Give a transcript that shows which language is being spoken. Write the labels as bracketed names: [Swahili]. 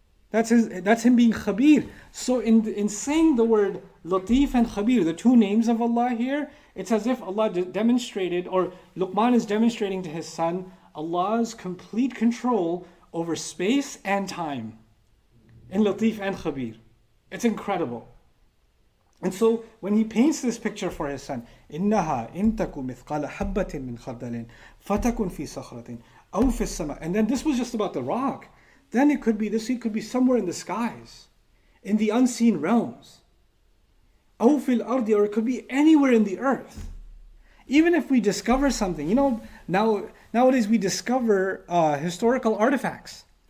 [English] That's him being khabir. So in saying the word Latif and Khabir, the two names of Allah here, it's as if Allah demonstrated, or Luqman is demonstrating to his son, Allah's complete control over space and time. In Latif and Khabir. It's incredible. And so when he paints this picture for his son, [Arabic] إِنَّهَا إِن تَكُ مِثْقَالَ حَبَّةٍ مِّنْ خَرْدَلٍ فَتَكُنْ فِي صَخْرَةٍ أَوْ فِي السَّمَاءِ. [English] And then this was just about the rock. Then it could be, this seed could be somewhere in the skies, in the unseen realms. [Arabic] أَوْ فِي الْأَرْضِ, [English] or it could be anywhere in the earth. Even if we discover something, you know, nowadays we discover historical artifacts.